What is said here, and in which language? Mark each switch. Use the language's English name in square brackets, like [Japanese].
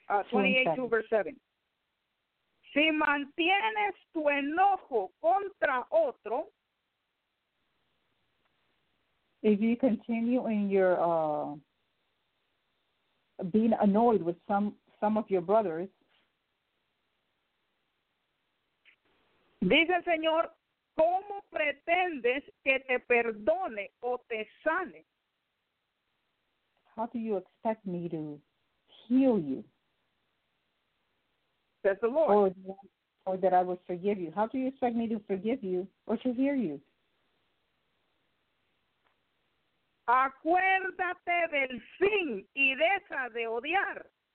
[Spanish] 28:7. Si mantienes tu enojo contra otro, [English] if you continue in your being annoyed with some of your brothers, [Spanish] dice el Señor, ¿cómo pretendes que te perdone o te sane? [English] How do you expect me to heal you? Says the Lord. Or that I will forgive you. How do you expect me to forgive you or to hear you? [Spanish] Acuérdate del fin y deja de odiar.